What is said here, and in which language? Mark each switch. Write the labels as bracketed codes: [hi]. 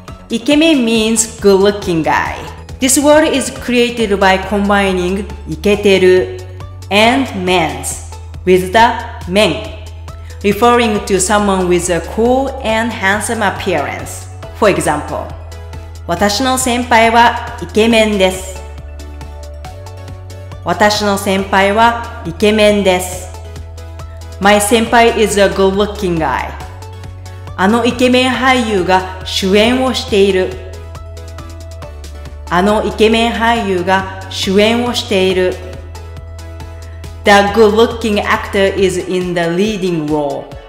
[en] イケメン means good looking guy. This word is created by combining iketeru and men's with the men, referring to someone with a cool and handsome appearance. For example, [ja] 私の先輩はイケメンです。私の先輩はイケメンです。 [en] My 先輩 is a good-looking guy. [ja] あのイケメン俳優が主演をしている。あのイケメン俳優が主演をしている。 [en] The good-looking actor is in the leading role.